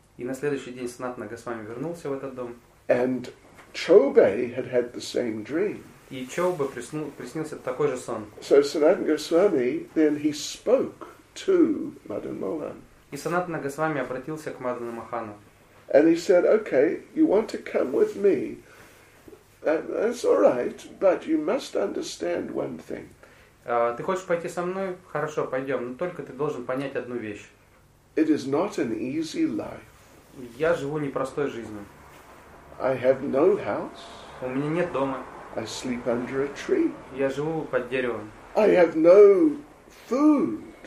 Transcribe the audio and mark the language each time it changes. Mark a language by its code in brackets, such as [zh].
[ru] И на следующий день Санатана Госвами вернулся в этот дом. [en] And Чобе had the same dream. [ru] И Чобе приснился такой же сон. [en] So Санатана Госвами, then he spoke to Мадан Мохан. [ru] И Санатана Госвами обратился к Мадан Мохану. [en] And he said, okay, you want to come with me, that's all right, but you must understand one thing. [ru] Ты хочешь пойти со мной? Хорошо, пойдем, но только ты должен понять одну вещь. [en] It is not an easy life. [ru] Я живу непростой жизнью. [en] I have no house. [ru] У меня нет дома. [en] I sleep under a tree. [ru] Я живу под деревом. [en] I have no food.